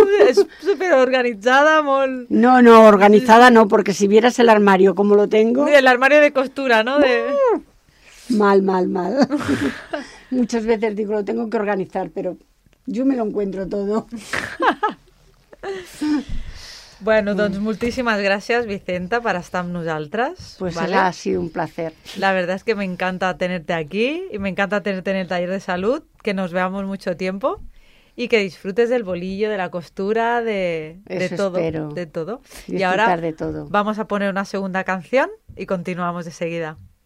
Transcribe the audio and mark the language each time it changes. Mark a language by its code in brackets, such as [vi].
[es] Es súper organizada, mol. No, no, organizada no, porque si vieras el armario, ¿cómo lo tengo? El armario de costura, ¿no? De... Mal, mal, mal. Muchas veces digo, lo tengo que organizar, pero yo me lo encuentro todo. [ca] Bueno, doncs moltíssimes gràcies, Vicenta, per estar amb nosaltres. [es] Pues ¿vale? Ha sido un placer. La verdad es que me encanta tenerte aquí y me encanta tenerte en el taller de salud, que nos veamos mucho tiempo y que disfrutes del bolillo, de la costura, de todo. Eso espero. De todo. Disfrutar y ahora de todo. Vamos a poner una segunda canción y continuamos de seguida.